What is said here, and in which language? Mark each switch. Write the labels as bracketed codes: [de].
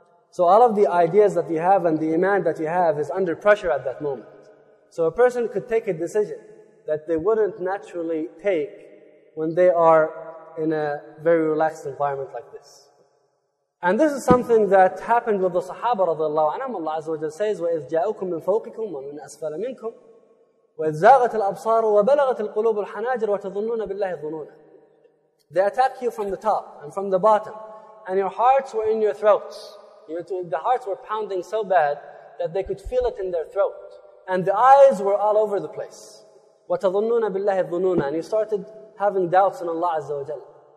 [en] So all of the ideas that you have and the iman that you have is under pressure at that moment. So a person could take a decision that they wouldn't naturally take when they are in a very relaxed environment like this. And this is something that happened with the Sahaba radiallahu anhum. Allah Azza wa Jalla says, [ar] وَإِذْ جَاءُكُمْ مِنْ فَوْقِكُمْ وَمِنْ أَسْفَلَ مِنْكُمْ وَإِذْ زَاغَتِ الْأَبْصَارُ وَبَلَغَتِ الْقُلُوبُ الْحَنَاجِرُ وَتَظُنُّونَ بِاللَّهِ ظُنُونَ. [en] They attack you from the top and from the bottom, and your hearts were in your throats. The hearts were pounding so bad that they could feel it in their throat. And the eyes were all over the place. [ar] وَتَظُنُّونَ بِاللَّهِ ظُنُونَ. [en] And you started having doubts in Allah Azza wa Jalla.